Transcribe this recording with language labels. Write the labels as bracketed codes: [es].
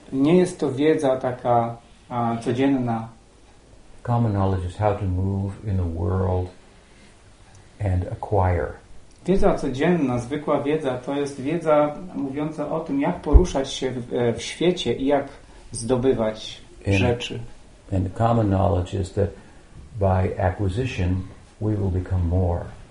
[pl] Nie jest to wiedza taka codzienna. [en] Common knowledge is how to move in the world and acquire. [pl] Wiedza codzienna, zwykła wiedza, to jest wiedza mówiąca o tym, jak poruszać się w świecie i jak zdobywać rzeczy. [en] And the common knowledge is that by acquisition we will become more.